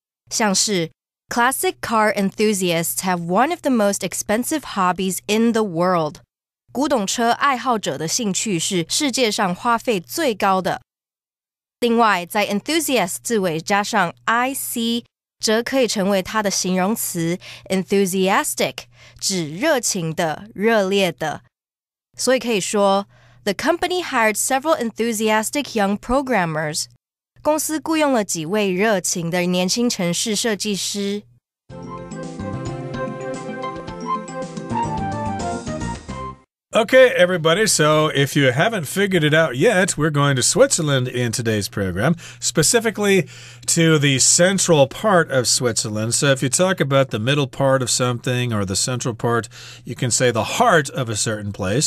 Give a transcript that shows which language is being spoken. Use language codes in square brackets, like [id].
[zh] 像是 [en] classic car enthusiasts have one of the most expensive hobbies in the world. [zh] 古董车爱好者的兴趣是世界上花费最高的。另外在 enthusiast 字尾加上 IC, 则可以成为它的形容词 enthusiastic, 指热情的、热烈的。所以可以说 [en] The company hired several enthusiastic young programmers. [zh] 公司雇佣了几位热情的年轻程式设计师。 [en] Okay, everybody, so if you haven't figured it out yet, we're going to Switzerland in today's program, specifically to the central part of Switzerland. So if you talk about the middle part of something or the central part, you can say the heart of a certain place.